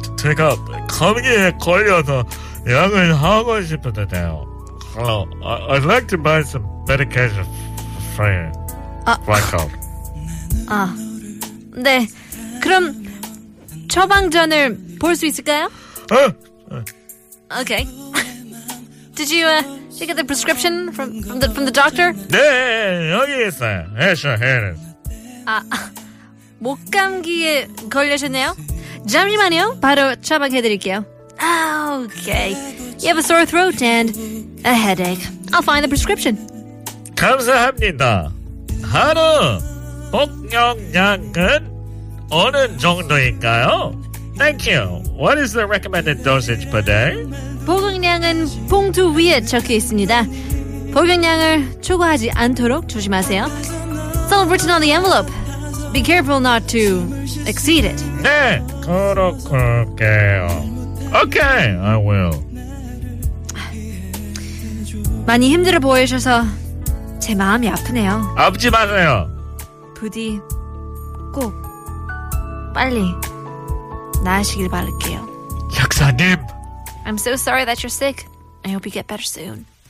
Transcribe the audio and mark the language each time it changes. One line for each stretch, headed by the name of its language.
Korean: 제가 감기에 걸려서 약을 하고 싶었는데요.
English: Hello, I'd like to buy some medication for you. Michael.
Korean: 아, 네. 그럼 처방전을 볼 수 있을까요? 어?
English: Okay. Did you get the prescription from the doctor?
Korean: 네, 여기 있어요. 네,
English: sure, here it is.
Korean: 아, 목 감기에 걸리셨네요. 잠시만요. 바로 처방해드릴게요. Okay.
English: You have a sore throat and a headache. I'll find the prescription.
Korean: 감사합니다. 하루 복용량은 어느 정도인가요?
English: Thank you. What is the recommended dosage per day?
Korean: 복용량은 봉투 위에 적혀 있습니다. 복용량을 초과하지 않도록 조심하세요.
English: It's all written on the envelope. Be careful not to exceed it.
Korean: 네, 그렇게요.
English: Okay, I will.
Korean: 많이 힘들어 보이셔서 제 마음이 아프네요. 아프지 마세요. 부디 꼭 빨리 나으시길 바랄게요. 약사님.
English: I'm so sorry that you're sick. I hope you get better soon.